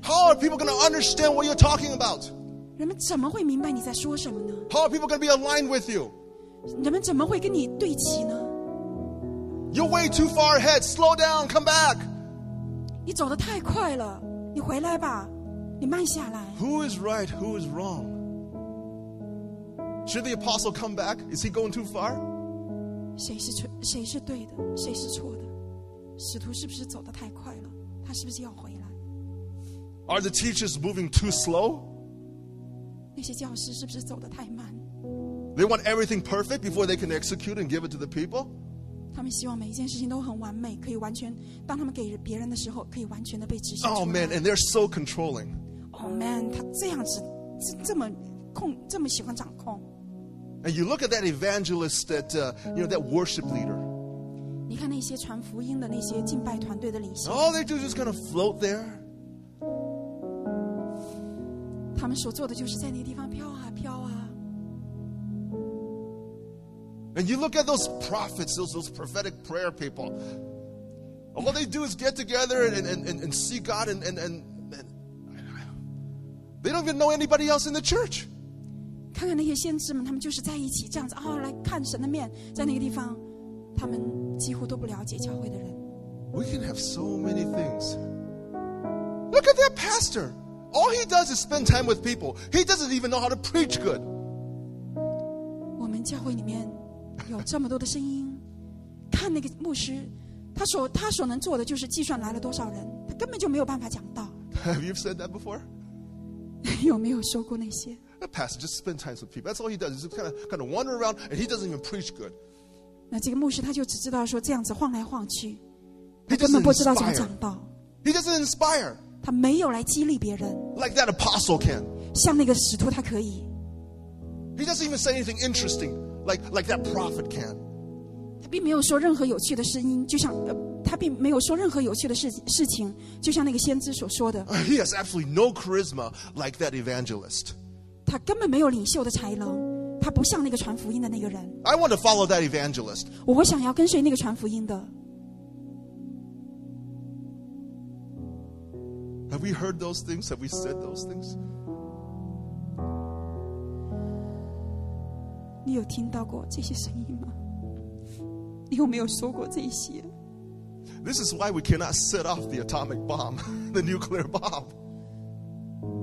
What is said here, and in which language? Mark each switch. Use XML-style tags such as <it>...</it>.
<en>How are people going to understand what you're talking about?</en> <zh>人们怎么会明白你在说什么呢?</zh> <en>How are people going to be aligned with you?</en> <zh>人们怎么会跟你对齐呢?</zh> <en>You're way too far ahead. Slow down. Come back.</en> <zh>你走得太快了，你回来吧，你慢下来。</zh> <en>Who is right? Who is wrong? Should the apostle come back? Is he going too far?</en> <zh>谁是对的，谁是错的？使徒是不是走得太快了？他是不是要回来？</zh> <en>Are the teachers moving too slow?</en> <zh>那些教师是不是走得太慢？</zh> <en>They want everything perfect before they can execute and give it to the people?</en> <zh>他们希望每一件事情都很完美，可以完全，当他们给别人的时候，可以完全的被执行出来。</zh> <en>Oh man, and they're so controlling. Oh</en> <zh>控 man 他这样子这么控这么喜欢掌控</zh> <en>And you look at that evangelist that you know that worship leader</en> <zh>你看那些传福音的那些敬拜团队的领袖</zh> <en>All they do is just kind of float there</en> <zh>他们所做的就是在那地方飘啊飘啊</zh> <en>And you look at those prophets those prophetic prayer people All they do is get together and see God and they don't even know anybody else in the church.</en> <zh>看看那些先知们，他们就是在一起这样子啊，来看神的面，在那个地方，他们几乎都不了解教会的人。</zh> <en>We can have so many things. Look at that pastor. All he does is spend time with people. He doesn't even know how to preach good.</en> <zh>我们教会里面有这么多的声音，看那个牧师。他所能做的就是计算来了多少人，他根本就没有办法讲道。</zh> <en>Have you said that before?</en> <zh>有没有说过那些</zh> <en>？A pastor just spend time with people. That's all he does. He just kind of wander around, and he doesn't even preach good.</en> <zh>那这个牧师他就只知道说这样子晃来晃去，</zh> <en>he、</en> <zh>根本不知道怎么讲道。</zh> <en>He doesn't inspire.</en> <zh>他没有来激励别人。</zh> <en>Like that apostle can.</en> <zh>像那个使徒他可以。</zh> <en>He doesn't even say anything interesting, like that prophet can.</en> <zh>并没有说任何有趣的声音就像、他并没有说任何有趣的 事情就像那个先知所说的</zh> <en>He has absolutely no charisma like that evangelist</en> <zh>他根本没有领袖的才能他不像那个传福音的那个人</zh> <en>I want to follow that evangelist</en> <zh>我想要跟随那个传福音的</zh> <en>Have we heard those things? Have we said those things?</en> <zh>你有听到过这些声音吗你有没有说过这些</zh> <en>This is why we cannot set off the atomic bomb, the nuclear bomb.</en>